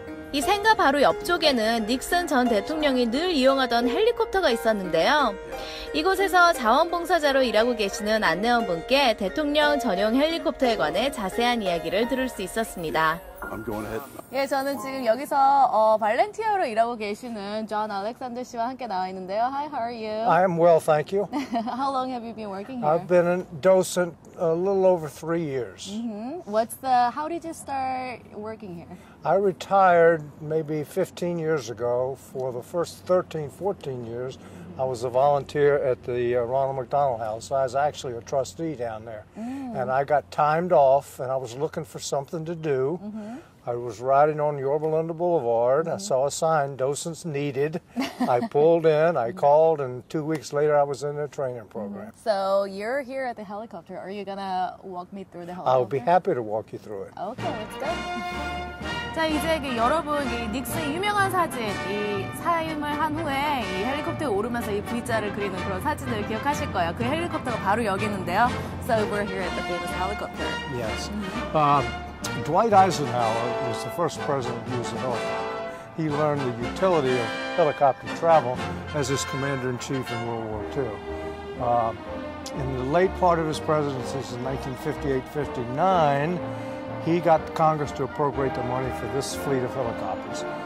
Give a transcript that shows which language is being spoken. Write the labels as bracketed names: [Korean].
[Korean] 이 생가 바로 옆쪽에는 닉슨 전 대통령이 늘 이용하던 헬리콥터가 있었는데요. 이곳에서 자원봉사자로 일하고 계시는 안내원분께 대통령 전용 헬리콥터에 관해 자세한 이야기를 들을 수 있었습니다. [English] I'm going ahead. [Korean] 예, 저는 지금 여기서 발렌티어로 일하고 계시는 존 알렉산더 씨와 함께 나와 있는데요. [English] Hi, how are you? I'm well, thank you. How long have you been working here? I've been a docent a little over 3 years. Mm-hmm. What's the? How did you start working here? I retired maybe 15 years ago. For the first 13, 14 years, mm-hmm. I was a volunteer at the Ronald McDonald House. I was actually a trustee down there, mm-hmm. and I got timed off, and I was looking for something to do. Mm-hmm. I was riding on Yorba Linda Boulevard. Mm-hmm. I saw a sign, docents needed. I pulled in, I called, and 2 weeks later I was in a training program. Mm-hmm. So you're here at the helicopter. Are you going to walk me through the helicopter? I'll be happy to walk you through it. Okay, let's go. [Korean] 자, 이제 그 여러분, 이 닉슨 유명한 사진, 이 사임을 한 후에 이 헬리콥터에 오르면서 이 V자를 그리는 그런 사진을 기억하실 거예요. 그 헬리콥터가 바로 여기 있는데요. [English] So we're here at the famous helicopter. Yes. Dwight Eisenhower was the first president to use a helicopter. He learned the utility of helicopter travel as his commander-in-chief in World War II. In the late part of his presidency, in 1958-59, he got Congress to appropriate the money for this fleet of helicopters.